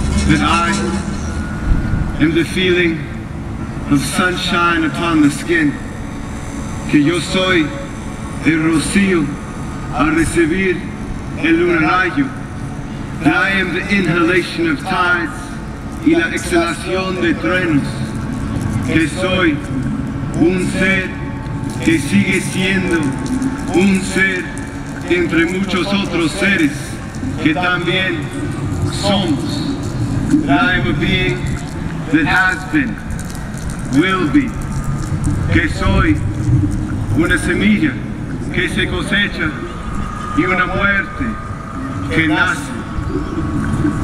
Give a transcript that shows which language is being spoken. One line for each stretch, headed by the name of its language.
English: that I am the feeling of sunshine upon the skin.
Spanish: Que yo soy el rocío a recibir el lunarayo.
English: That I am the inhalation of tides
Spanish: y la exhalación de truenos. Que soy un ser que sigue siendo un ser entre muchos otros seres que también somos.
English: That I am a being that has been, will be.
Spanish: Que soy una semilla que se cosecha y una muerte que nace.